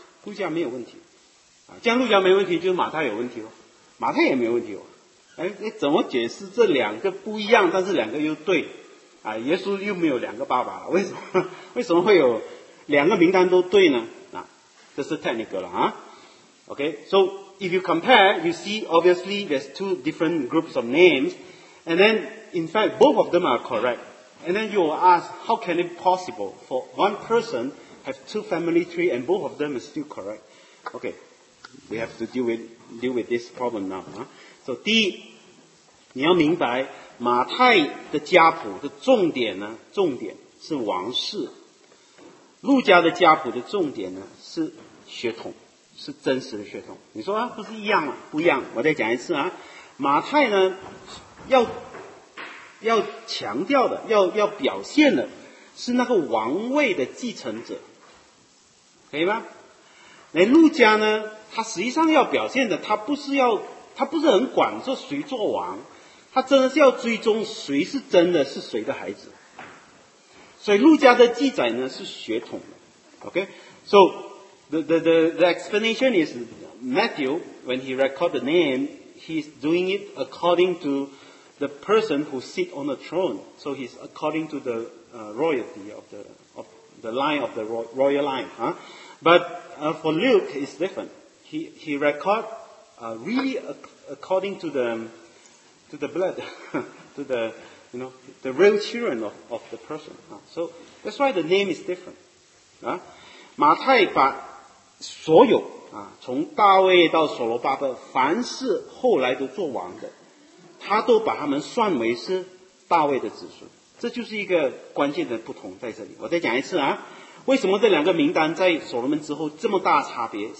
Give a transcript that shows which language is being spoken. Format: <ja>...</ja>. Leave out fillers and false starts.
<zh>路加没有问题，啊，既然路加没问题，就是马太有问题喽，马太也没有问题哦。哎，你怎么解释这两个不一样，但是两个又对？啊，耶稣又没有两个爸爸了，为什么会有两个名单都对呢？啊，这是 technical 了啊。</zh> <en>Okay, so if you compare, you see obviously there's two different groups of names, and then in fact both of them are correct. And then you will ask, how can it be possible for one person have two family tree and both of them is still correct? Okay, we have to deal with this problem now.</en> <zh>So, 第一，你要明白马太的家谱的重点呢，重点是王室；路加的家谱的重点呢是血统，是真实的血统。你说啊，不是一样吗？不一样。我再讲一次啊，马太呢要强调的要表现的是那个王位的继承者，可以吗？那路加呢，他实际上要表现的他不是很管说谁做王，他真的是要追踪谁是真的是谁的孩子，所以路加的记载呢是血统的。</zh> <en>OK, so the explanation is Matthew when he record the name he's doing it according toThe person who sit on the throne, so he's according to the royalty of the line of the royal line, huh? But for Luke, it's different. He record really according to the blood, to the you know the real children of the person. Huh? So that's why the name is different.</en> <zh>马太把所有啊，从大卫到所罗巴伯，凡是后来都做王的。他都把他们算为是大卫的子孙，这就是一个关键的不同在这里。我再讲一次啊，为什么这两个名单在所罗门之后这么大差别？</zh>